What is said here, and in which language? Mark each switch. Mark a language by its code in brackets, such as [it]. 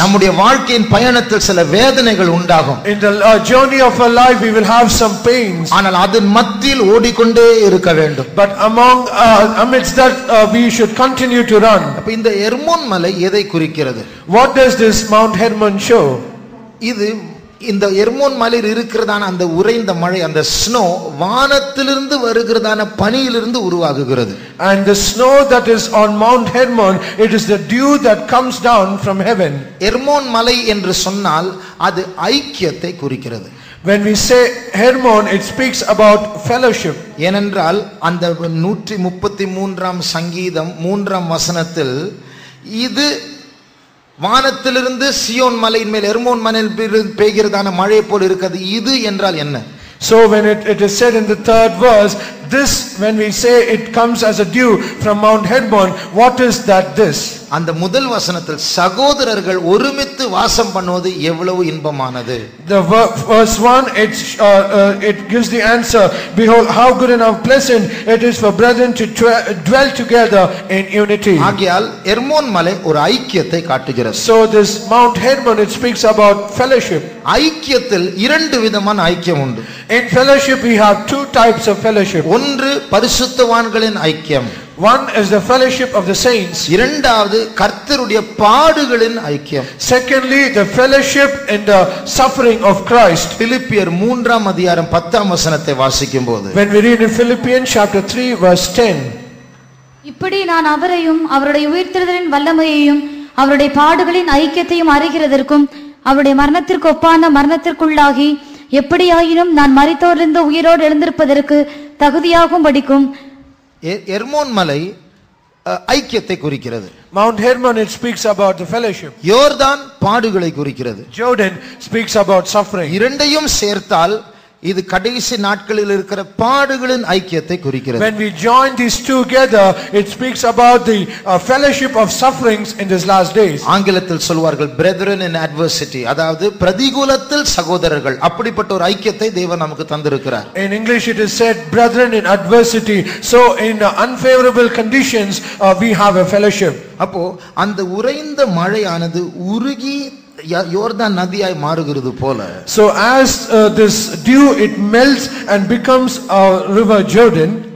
[ta] நம்முடைய வாழ்க்கையின் பயணத்தில் சில வேதனைகள் உண்டாகும். [en] In the journey of our life we will have some pains. [ta] ஆனால் அதன் மத்தியில் ஓடிக்கொண்டே இருக்க வேண்டும். [en] But among amidst that we should continue to run. [ta] அப்ப இந்த எர்மோன் மலை எதை குறிக்கிறது? [en] What does this Mount Hermon show? [ta] இது இந்த எர்மோன் மலையில் இருக்கிறதான அந்த உறைந்த மழை அந்த ஸ்னோ வானத்திலிருந்து வருகிறதான பனியிலிருந்து உருவாகுகிறது. [en] And the snow that is on Mount Hermon, it is the dew that comes down from heaven. [ta] Hermon மலை என்று சொன்னால் அது ஐக்கியத்தை குறிக்கிறது. [en] When we say Hermon, it speaks about fellowship. [ta] ஏனென்றால் அந்த 133 சங்கீதம் 3 வசனத்தில் இது வானத்திலிருந்து சியோன் மலையின் மேல் ஹெர்மோன் மலையில் பெய்கிறதான மழையை போல் இருக்கிறது. இது என்றால் என்ன? [en] So when it is said in the third verse, this, when we say it comes as a dew from Mount Hermon, what is that this? [ta] அந்த முதல் வசனத்தில் சகோதரர்கள் ஒருமித்து வாசம் பண்ணுவது எவ்வளவு இன்பமானது. [en] The verse 1, it gives the answer, behold how good and how pleasant it is for brethren to dwell together in unity. [ta] ஆகையால் Hermon மலை ஒரு ஐக்கியத்தை காட்டுகிறது. [en] So this Mount Hermon, it speaks about fellowship. [ta] ஐக்கியத்தில் இரண்டு விதமான ஐக்கியம் உண்டு. [en] In fellowship we have two types of fellowship. [ta] ஒன்று பரிசுத்தவான்களின் ஐக்கியம். [en] One is the fellowship of the saints. [ta] இரண்டாவது கர்த்தருடைய பாடுகளின் ஐக்கியம். [en] Secondly, the fellowship in the suffering of Christ. [ta] பிலிப்பியர் 3 அதிகாரம் 10 வசனத்தை வாசிக்கும்போது, [en] when we read in Philippians chapter 3 verse 10, [ta] இப்படி நான் அவரையும் அவருடைய உயிர்த்தெழுதலின் வல்லமையையும் அவருடைய பாடுகளின் ஐக்கியத்தையும் அறிகிறதற்கும் அவருடைய மரணத்திற்கு ஒப்பான மரணத்திற்குள்ளாகி எப்படியாயினும் நான் மரித்தோரிலிருந்து உயிரோடு எழுந்திருப்பதற்கு தகுதியாகும் படிக்கும். ஹெர்மோன் மலை ஐக்கியத்தை குறிக்கிறது. [en] Mount Hermon, it speaks about the fellowship. [ta] யோர்தான் பாடுகளை குறிக்கிறது. [en] Jordan speaks about suffering. [ta] இரண்டையும் சேர்த்தால் இது கடைசி நாட்களில் இருக்கிற பாடுகளின் ஐக்கியத்தை குறிக்கிறது. [en] When we join these together, it speaks about the fellowship of sufferings in these last days. [ta] ஆங்கிலத்தில் சொல்வார்கள், [en] brethren in adversity, [ta] அதாவது பிரதிகூலத்தில் சகோதரர்கள். அப்படிப்பட்ட ஒரு ஐக்கியத்தை தேவன் நமக்கு தந்திருக்கிறார். [en] In English it is said, brethren in adversity, so in unfavorable conditions we have a fellowship. [ta] அப்போ அந்த உறைந்த மழையானது உருகி யோர்தான் நதியாய் மாறுகிறது போல. [en] So as this dew, it melts and becomes a river Jordan.